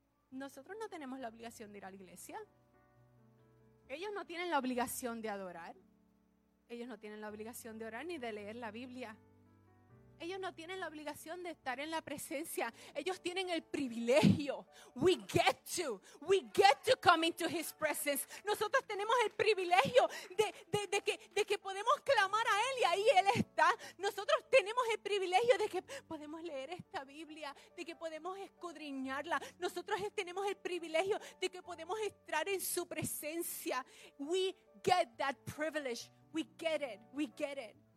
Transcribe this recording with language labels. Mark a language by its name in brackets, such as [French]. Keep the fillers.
[Spanish] Nosotros no tenemos la obligación de ir a la iglesia. Ellos no tienen la obligación de adorar. Ellos no tienen la obligación de orar ni de leer la Biblia. Ellos no tienen la obligación de estar en la presencia. Ellos tienen el privilegio. [English] We get to. We get to come into His presence. [Spanish] Nosotros tenemos el privilegio de, de, de, que, de que podemos clamar a Él y ahí Él está. Nosotros tenemos el privilegio de que podemos leer esta Biblia, de que podemos escudriñarla. Nosotros tenemos el privilegio de que podemos entrar en su presencia. [English] We get that privilege. We get it. [Spanish] We get it.